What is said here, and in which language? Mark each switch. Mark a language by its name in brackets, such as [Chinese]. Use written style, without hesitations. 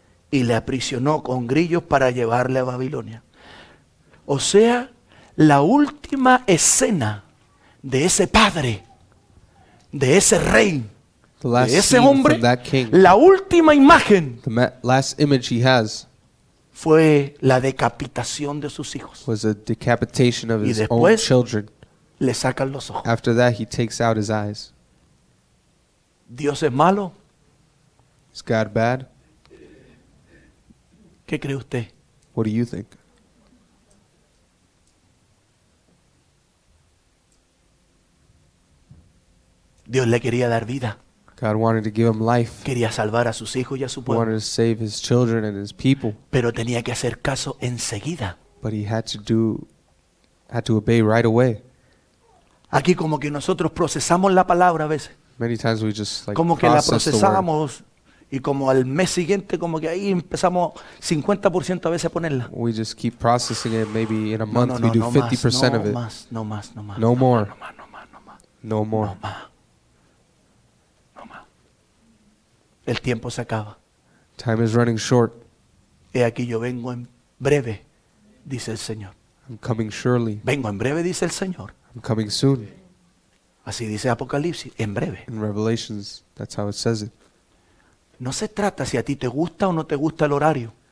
[Spanish] Y le aprisionó con grillos para llevarle a Babilonia. O sea, la última escena de ese padre, de ese rey, [English] the last [Spanish] de ese hombre, [English] scene from that king, [Spanish] la última imagen, [English] the last image he has, [Spanish] fue la decapitación de sus hijos. [English] Was a decapitation of [Spanish] y [English] his [Spanish] después [English] own children. [Spanish] Le sacan los ojos. [English] After that, he takes out his eyes. [Spanish] ¿Dios es malo? [English] Is God bad? [Spanish] ¿Qué cree usted? [English] What do you think? [Spanish] Dios le quería dar vida. [English] God wanted to give him life. [Spanish] Quería salvar a sus hijos y a su pueblo. [English] He wanted to save his children and his people. [Spanish] Pero tenía que hacer caso enseguida. [English] But he had to obey right away. [Spanish] Aquí como que nosotros procesamos la palabra a veces. [English] Many times we just like [Spanish] como que la procesamos. Y como al mes siguiente, como que ahí empezamos 50% a veces a ponerla. [English] We just keep processing it. Maybe in a month we do 50% of it. [Spanish] No más, no más, no más. [English] No more. [Spanish] No más, no más, no más. [English] No more. [Spanish] No más. No más. El tiempo se acaba. [English] Time is running short. [Spanish] He aquí yo vengo en breve, dice el Señor. [English] I'm coming surely. [Spanish] Vengo en breve, dice el Señor. [English] I'm coming soon. [Spanish] Así dice Apocalipsis, en breve. [English] In Revelations, that's how it says it. [Spanish] No se trata si a ti te gusta o no te gusta el horario.